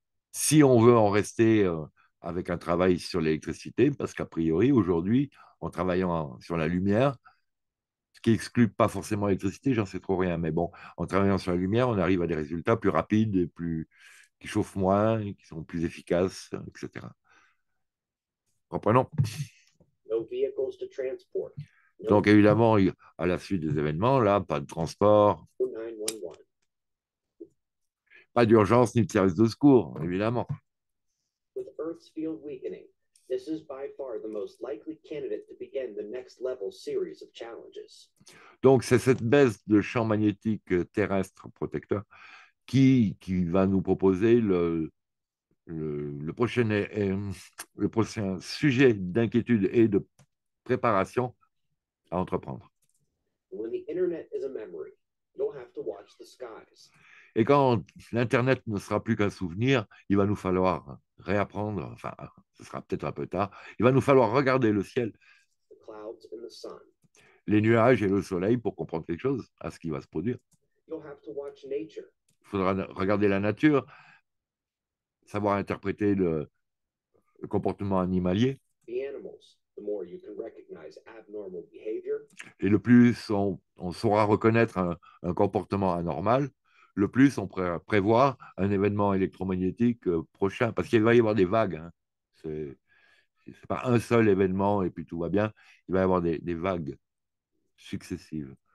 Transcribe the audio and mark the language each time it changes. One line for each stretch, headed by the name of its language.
French: Si on veut en rester avec un travail sur l'électricité, parce qu'a priori, aujourd'hui, en travaillant sur la lumière, ce qui exclut pas forcément l'électricité, j'en sais trop rien, mais bon, en travaillant sur la lumière, on arrive à des résultats plus rapides et plus qui chauffent moins, et qui sont plus efficaces, etc. Reprenons.
English: No vehicles to transport,
French: Donc
English: no
French: évidemment, à la suite des événements, là, pas de transport,
English: 911.
French: pas d'urgence ni de service de secours, évidemment.
English: With Earth's field weakening, this is by far the most likely candidate to begin the next level series of challenges.
French: Donc, c'est cette baisse de champ magnétique terrestre protecteur qui va nous proposer le prochain sujet d'inquiétude et de préparation à entreprendre.
English: When the internet is a memory, you'll have to watch the skies.
French: Et quand l'Internet ne sera plus qu'un souvenir, il va nous falloir réapprendre, enfin, ce sera peut-être un peu tard, il va nous falloir regarder le ciel,
English: the clouds and the sun,
French: les nuages et le soleil pour comprendre quelque chose à ce qui va se produire.
English: You'll have to watch nature.
French: Il faudra regarder la nature, savoir interpréter le comportement animalier.
English: The animals, the more you can recognize abnormal behavior.
French: Et le plus on saura reconnaître un comportement anormal, le plus on prévoit un événement électromagnétique prochain, parce qu'il va y avoir des vagues. Hein. C'est pas un seul événement et puis tout va bien. Il va y avoir des vagues successives.